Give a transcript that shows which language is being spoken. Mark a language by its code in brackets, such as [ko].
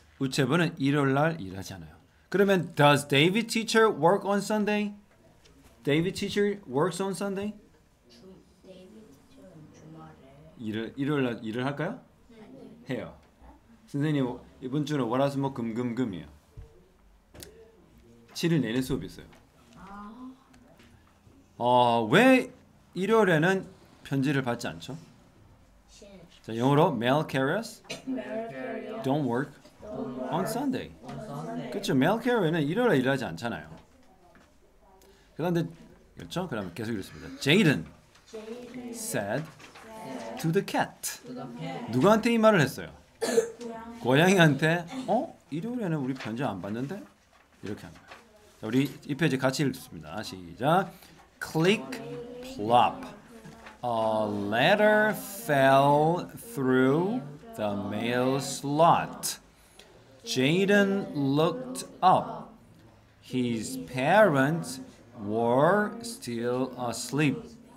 [ko] 우체부는 일요일 날 일하지 않아요. [en] 그러면 does David teacher work on Sunday? David teacher works on Sunday? [ko] 일요일날 일을 할까요? 해요. 선생님 이번 주는 월화수목 금금금이에요. 7일 내내 수업이 있어요. 왜 일요일에는 편지를 받지 않죠? 자, 영어로 [en] mail carriers don't work on Sunday. [ko] 그렇죠. Mail carrier는 일요일에 일하지 않잖아요. 그런데 그렇죠? 그럼 계속 읽습니다. [en] Jaden said to the cat. [ko] 누구한테 이 말을 했어요? 고양이한테. 일요일에는 우리 편지 안 받는데? 이렇게 한 거예요. 자, 우리 이 페이지 같이 읽습니다. 시작. [en] Click plop. A letter fell through the mail slot. Jaden looked up. His parents were still asleep.